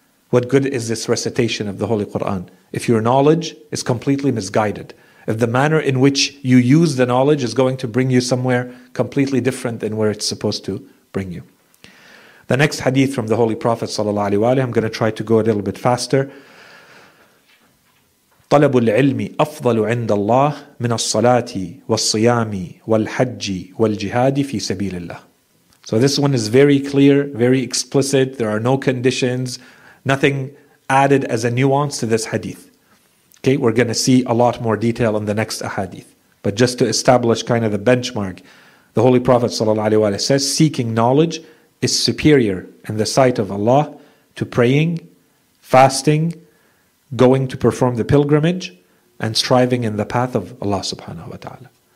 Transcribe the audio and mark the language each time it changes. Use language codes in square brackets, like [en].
[en] What good is this recitation of the Holy Quran? If your knowledge is completely misguided, if the manner in which you use the knowledge is going to bring you somewhere completely different than where it's supposed to bring you. The next hadith from the Holy Prophet sallallahu alaihi wa alihi, I'm going to try to go a little bit faster. [ar] طلب العلم أفضل عند الله من الصلاة والصيام والحج والجهاد في سبيل الله. [en] So this one is very clear, very explicit. There are no conditions, nothing added as a nuance to this hadith. Okay, we're going to see a lot more detail in the next ahadith. But just to establish kind of the benchmark, the Holy Prophet ﷺ says, seeking knowledge is superior in the sight of Allah to praying, fasting, going to perform the pilgrimage, and striving in the path of Allah subhanahu wa ta'ala.